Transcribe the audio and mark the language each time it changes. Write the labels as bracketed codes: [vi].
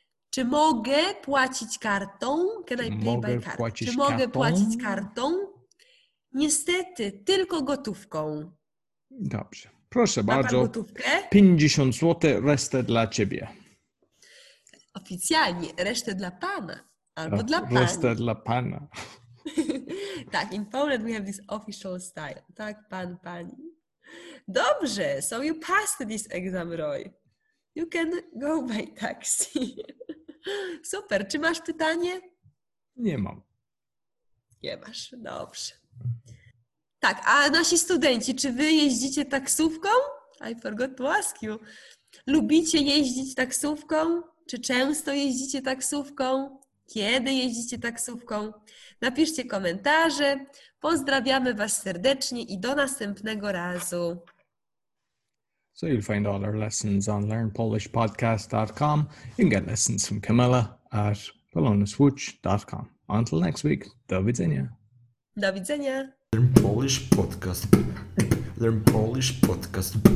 [pl] Czy mogę płacić kartą? [en] Can I pay by card? [pl] Płacić czy kartą? Mogę płacić kartą? Niestety, tylko gotówką. Dobrze. Proszę bardzo. Ma pan gotówkę? 50 zł, resztę dla ciebie. Oficjalnie, resztę dla pana. Albo dla pani. Resztę dla pana. [en] Tak, in Poland we have this official style. [pl] Tak, pan, pani. Dobrze, [en] so you passed this exam, Roy. You can go by taxi. [pl] Super, czy masz pytanie? Nie mam. Nie masz, dobrze. Tak, a nasi studenci, czy wy jeździcie taksówką? [en] I forgot to ask you. [pl] Lubicie jeździć taksówką? Czy często jeździcie taksówką? Kiedy jeździcie taksówką? Napiszcie komentarze. Pozdrawiamy Was serdecznie i do następnego razu. [en] So you'll find all our lessons on learnpolishpodcast.com. You can get lessons from Camilla at polonaswuch.com. Until next week, [pl] do widzenia. Do widzenia. [en] Learn Polish Podcast. Learn Polish Podcast.